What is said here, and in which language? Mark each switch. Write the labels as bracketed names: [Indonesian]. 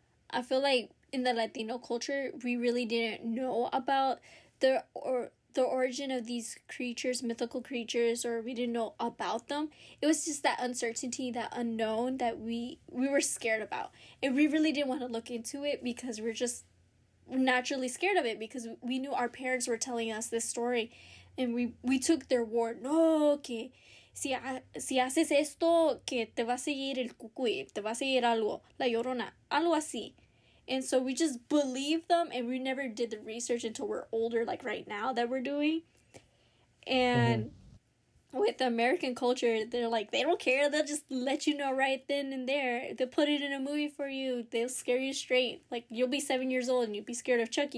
[English] I feel like in the Latino culture, we really didn't know about the origin of these creatures, mythical creatures, or we didn't know about them. It was just that uncertainty, that unknown that we were scared about. And we really didn't want to look into it because we're just naturally scared of it because we knew our parents were telling us this story. And we took their word. [Spanish] No, que si haces esto, que te va a seguir el cucuy, te va a seguir algo, la llorona, algo así. [English] And so we just believe them, and we never did the research until we're older, like right now that we're doing. And with American culture, they're like, they don't care. They'll just let you know right then and there. They'll put it in a movie for you. They'll scare you straight. Like, you'll be 7 years old, and you'll be scared of Chucky.